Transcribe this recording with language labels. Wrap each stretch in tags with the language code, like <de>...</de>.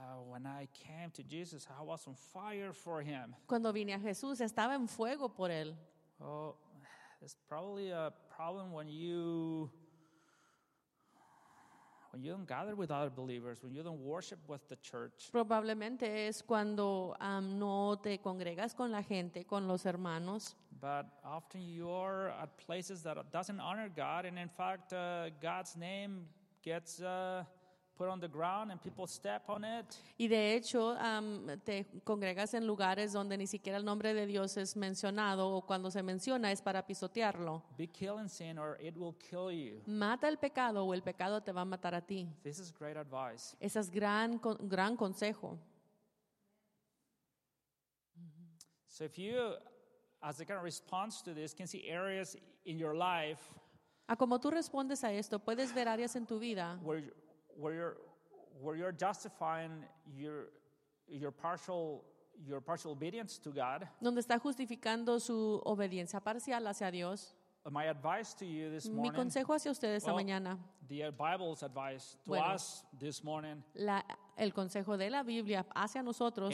<en>When I came to Jesus, I was on fire for him.</en> <es>Cuando vine a Jesús, estaba en fuego por él.</es> <en>Oh, it's probably a problem when you don't gather with other believers, when you don't worship with the church.</en> <es>Probablemente es cuando no te congregas con la gente, con los hermanos.</es> <en>But often you're at places that doesn't honor God, and in fact, God's name gets put on the ground and people step on it.</en> <es>Y de hecho, te congregas en lugares donde ni siquiera el nombre de Dios es mencionado, o cuando se menciona es para pisotearlo.</es> <en>Be killing sin or it will kill you.</en> <es>Mata el pecado o el pecado te va a matar a ti.</es> <en>This is great advice.</en> <es>Ese es gran consejo.</es> <en>So if you, as a kind of response to this, can see areas in your life</en> <es>A como tú respondes a esto, puedes ver áreas en tu vida</es> <en>where you're justifying your partial obedience to God.</en> <es>Donde está justificando su obediencia parcial hacia Dios.</es> <en>My advice to you this morning.</en> <es>Mi consejo hacia ustedes esta mañana.</es> <en>The Bible's advice to us this morning.</en> <es>El consejo de la Biblia hacia nosotros.</es>